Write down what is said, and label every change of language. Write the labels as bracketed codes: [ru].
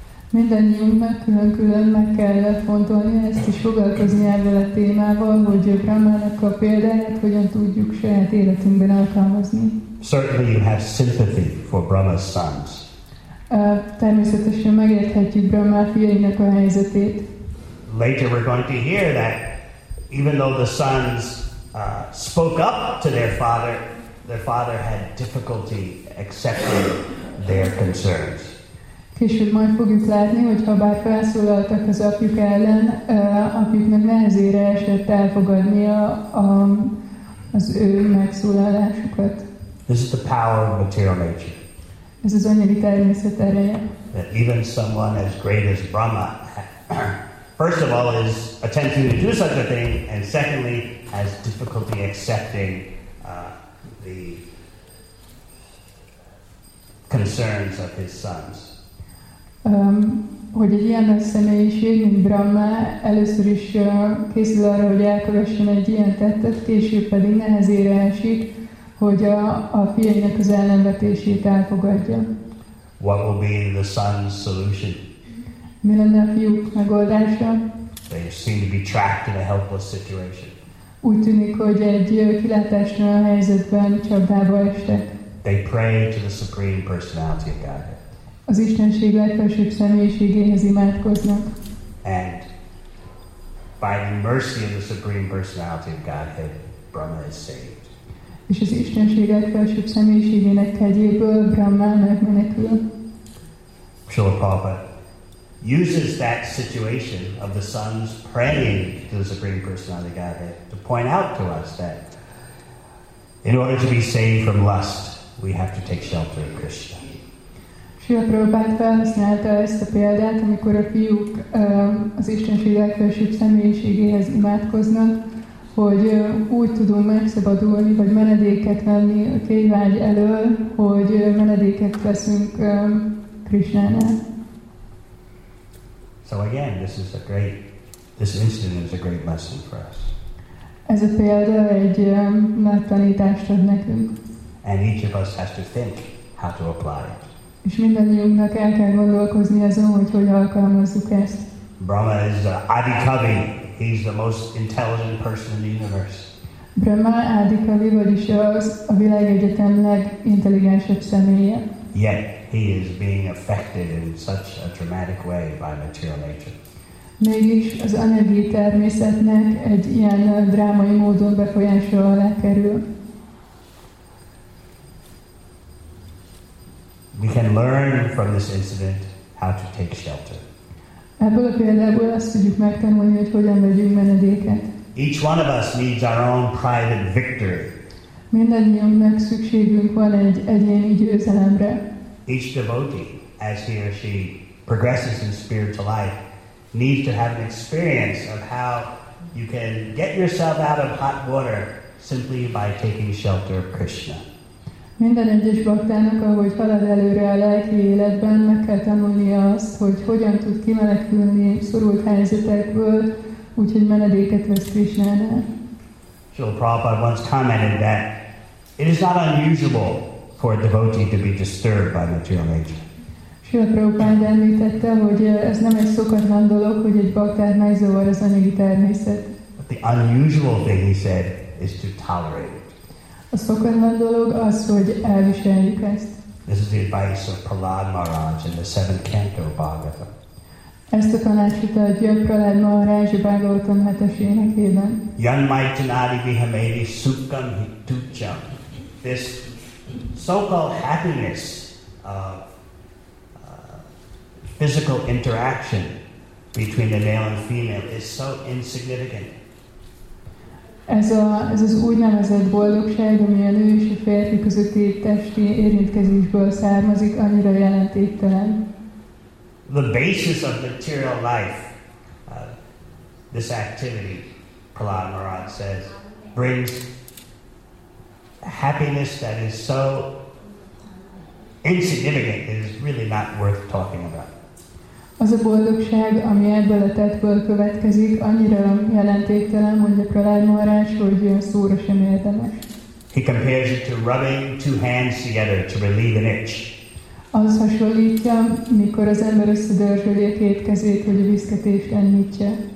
[hu] Mindannyiunknak külön-külön meg kell fontolni ezt és foglalkozni ezzel a témával, hogy Brahmának a példáját hogyan tudjuk saját életünkben alkalmazni. [en] Certainly you have sympathy for Brahma's sons. [hu] Természetesen megérthetjük Brahma fiainak a helyzetét. [en] Later we're going to hear that even though the sons spoke up to their father had difficulty accepting their concerns. [hu] Később majd fogjuk látni, hogy ha bár felszólaltak az apjuk ellen, apjuknak nehezére esett elfogadnia az ő megszólalásukat. [en] This is the power of material nature. [hu] Ez az anyagi természet ereje. [en] That even someone as great as Brahma, first of all, is attempting to do such a thing, and secondly, has difficulty accepting the concerns of his sons. [hu] Hogy egy ilyen személyiség, mint Brahma, először is készül arra, hogy elkövessen egy ilyen tettet, később pedig nehezére esik, hogy a fiainak az ellenvetését elfogadja. [en] What will be the son's solution? [hu] Mi lenne a fiúk megoldása? [en] They seem to be trapped in a helpless situation. [hu] Úgy tűnik, hogy egy kilátástalan helyzetben csapdába estek. [en] They pray to the Supreme Personality of Godhead. [hu] Az Istenség legfelsőbb személyiségéhez imádkoznak. [en] And by the mercy of the Supreme Personality of Godhead, Brahma is saved. [hu] És az Istenség legfelsőbb személyiségének kegyéből Brahma megmenekül. [en] Srila Prabhupada uses that situation of the sons praying to the Supreme Personality Godhead to point out to us that in order to be saved from lust, we have to take shelter of Krishna. [hu] Srila Prabhupada felhasználta ezt a példát, amikor a fiúk az Istenség legfelsőbb személyiségéhez imádkoznak, hogy úgy tudunk megszabadulni, vagy menedéket venni a kényvágy elől, hogy menedéket veszünk Krishnánál. [en] So again, this incident is a great lesson for us. [hu] Ez a példa egy nagy tanítást ad nekünk. [en] And each of us has to think how to apply it. [hu] És mindannyiunknak el kell gondolkozni azon, hogy hogy alkalmazzuk ezt. [en] Brahma is the Adikavi. He's the most intelligent person in the universe. [hu] Brahma Adikavi, vagyis az a világegyetem legintelligensebb személye. [en] Yet he is being affected in such a dramatic way by material nature. [hu] Mégis az anyagi természetnek egy ilyen drámai módon befolyásolva alá kerül. [en] We can learn from this incident how to take shelter. [hu] Ebből a példából azt tudjuk megtanulni, hogy hogyan vegyünk menedéket. [en] Each one of us needs our own private victory. [hu] Mindannyiunknak szükségünk van egy egyéni győzelemre. [en] Each devotee, as he or she progresses in spiritual life, needs to have an experience of how you can get yourself out of hot water simply by taking shelter of Krishna. [hu] Minden egyes baktának, ahogy halad előre a lelki életben, meg kell tanulni azt, hogy hogyan tud kimenekülni szorult helyzetekből, úgyhogy menedéket vesz Krishnánál. [en] Srila Prabhupada once commented that it is not unusual for a devotee to be disturbed by material nature. [hu] Srila Prabhupada említette, hogy ez nem egy szokatlan dolog, hogy egy baktát megzavar az anyagi természet. [en] But the unusual thing, he said, is to tolerate. [hu] A szokatlan dolog az, hogy elviseljük ezt. [en] This is the advice of Prahlad Maharaj in the 7th canto of Bhagavata. [hu] Ezt a tanácsot adja Prahlad Maharaj a Bhagavatam 7-es énekében. [sa] Yan maitanadi vihamedi sukham hitucham. [en] This so-called happiness of physical interaction between the male and female is so insignificant. [hu] Ez az úgynevezett boldogság, ami a nő és a férfi közötti testi érintkezésből származik, annyira jelentéktelen. [en] The basis of material life, this activity, Prahlad Maharaj says, brings happiness that is so insignificant, it is really not worth talking about. [hu] Az a boldogság, ami ebből a tettből következik, annyira jelentéktelen, mondja Prahlad Maharaj, hogy ilyen szóra sem érdemes. [en] He compares it to rubbing two hands together to relieve an itch. [hu] Az hasonlítja, mikor az ember összedörzsöli a két kezét, hogy a viszketést enyhítse.